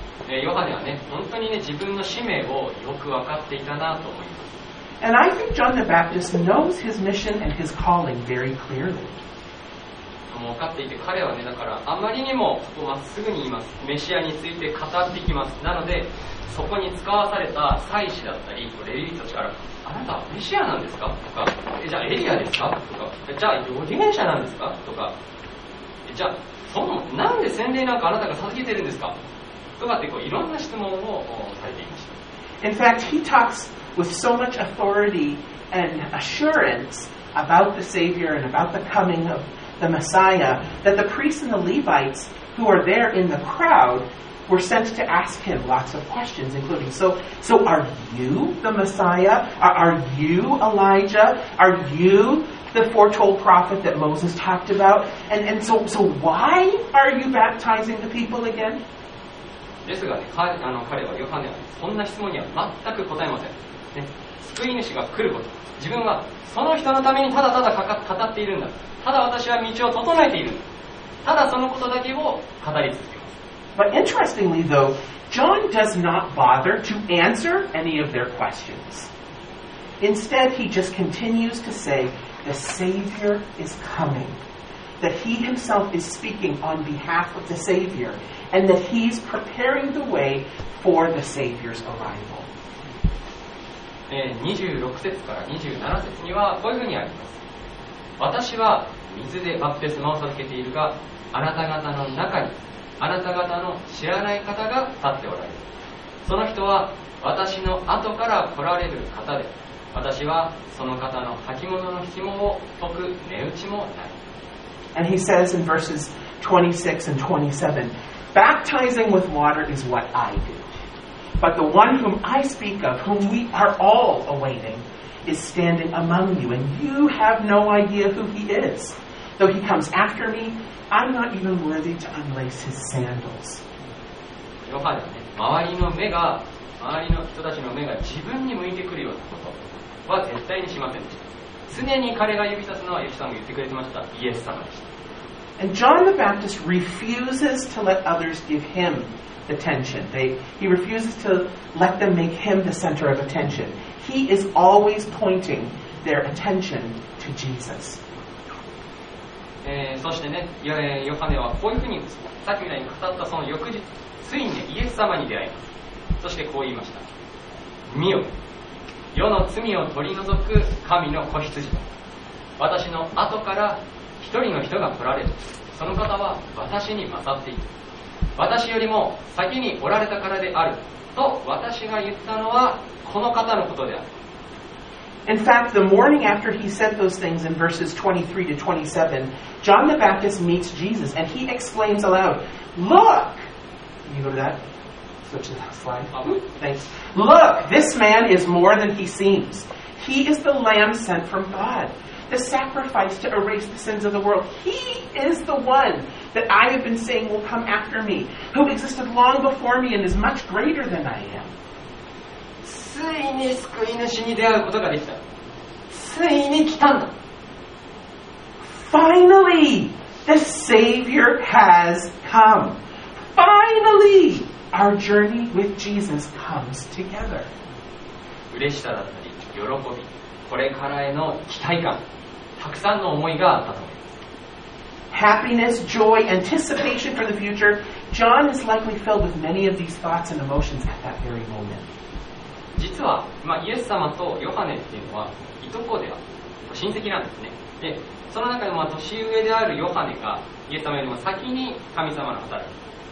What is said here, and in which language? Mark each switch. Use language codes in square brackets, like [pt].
[ja] ヨハネはね、本当にね、自分の使命をよく分かっていたなと思います。 [en] And I think John the Baptist knows his mission and his calling very clearly. [ja] もう分かっていて、彼はね、だからあまりにもここまっすぐに言います、メシアについて語ってきます。なのでそこに使わされた祭司だったりレビ人たちから、あなたはメシアなんですかとか、え、じゃあエリアですかとか、じゃあ預言者なんですかとか、え、じゃあそのなんで洗礼なんかあなたが授けてるんですかとかって、こういろんな質問をされていました。 [en] In fact, he talks with so much authority and assurance about the Savior and about the coming of the Messiah, that the priests and the Levites who are there in the crowd were sent to ask him lots of questions, including, so are you the Messiah? Are you Elijah? Are you the foretold prophet that Moses talked about? And so why are you baptizing the people again? [ja] ですが、ね、彼はヨハネは、ね、そんな質問には全く答えません、ね、救い主が来ること、自分はその人のためにただただ語っているんだ、ただ私は道を整えている、ただそのことだけを語り続けます。 [en] But interestingly though, John does not bother to answer any of their questions. Instead, he just continues to say the Savior is coming. That he himself is speaking on behalf of the Savior, and that he's preparing the way for the Savior's arrival. [ja] 26節から27節にはこういうふうにあります。私は水でバプテスマを授けているが、あなた方の中にあなた方の知らない方が立っておられる。その人は私の後から来られる方で、私はその方の履物の紐を解く値打ちもない。 [en] And he says in verses 26 and 27, baptizing with water is what I do. But the one whom I speak of, whom we are all awaiting, is standing among you, and you have no idea who he is. Though he comes after me, I'm not even worthy to unlace his sandals. [ja] ヨハネはね、周りの人たちの目が自分に向いてくるようなことは絶対にしませんでした。常に彼が指さすのはイエス様が言ってくれてました。イエス様でした。 [en] And John the Baptist refuses to let others give him attention. He refuses to let them make him the center of attention. He is always pointing their attention to Jesus. [ja] そしてね、ヨハネはこういうふうに、さっきみたいに語ったその翌日、ついに、ね、イエス様に出会います。そしてこう言いました。見よ。世の罪を取り除く神の子羊だ。私の後から一人の人が来られる。その方は私に勝っている。私よりも先におられたからである。と私が言ったのはこの方のことである。 [en] In fact, the morning after he said those things in verses 23 to 27, John the Baptist meets Jesus and he exclaims aloud, Look! You go to that? Switch to the next slide. Thanks. Look, this man is more than he seems. He is the lamb sent from God, the sacrifice to erase the sins of the world. He is the one that I have been saying will come after me, who existed long before me and is much greater than I am. [ja] ついに救い主に出会うことができた。ついに来たんだ。 [en] Finally, the Savior has come. Finally! Our journey with Jesus comes together. [ja] 嬉しさだったり、喜び、これからへの期待感、たくさんの思いがあったと思います。 [en] Happiness, joy, anticipation for the future. John is likely filled with many of these thoughts and emotions at that very moment. [ja] 実は、まあ、イエス様とヨハネっていうのは、いとこでは、親戚なんですね。で、その中でも、まあ、年上であるヨハネが、イエス様よりも先に神様の働き。